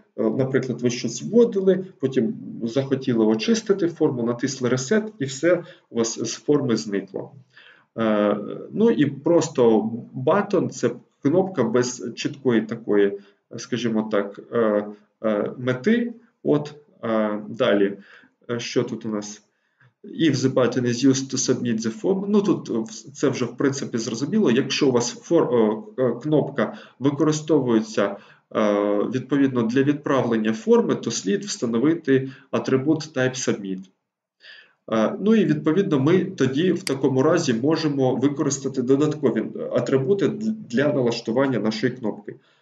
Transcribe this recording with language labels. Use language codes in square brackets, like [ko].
[uk] Наприклад, ви щось вводили, потім захотіли очистити форму, натисли reset, і все у вас з форми зникло. Ну і просто button – це кнопка без чіткої такої, скажімо так, мети. От далі, що тут у нас? [en] If the button is used to submit the form. [uk] Ну, тут це вже, в принципі, зрозуміло. Якщо у вас кнопка використовується відповідно для відправлення форми, то слід встановити атрибут type submit. Ну і відповідно ми тоді в такому разі можемо використати додаткові атрибути для налаштування нашої кнопки.